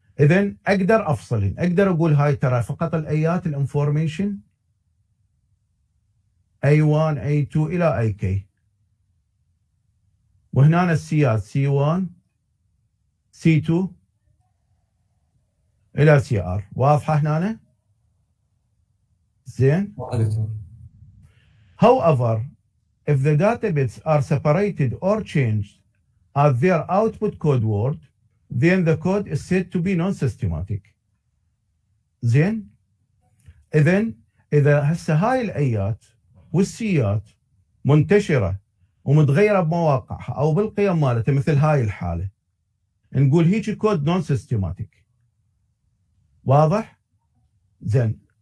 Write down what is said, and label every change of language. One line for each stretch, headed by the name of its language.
Arabic: اذا اقدر افصلهم، اقدر اقول هاي ترى فقط الايات الانفورميشن A1 A2 الى AK، وهنا السيات C1 C2 الى CR. واضحه هنا زين.
English: However if the data bits are separated or changed at their output code word, then the code is said to be non-systematic.
Arabic: زين؟ إذا هسه هاي الأيات والسيات منتشرة ومتغيرة بمواقعها أو بالقيم مالتها مثل هاي الحالة، نقول هيك الكود non-systematic. واضح؟ زين.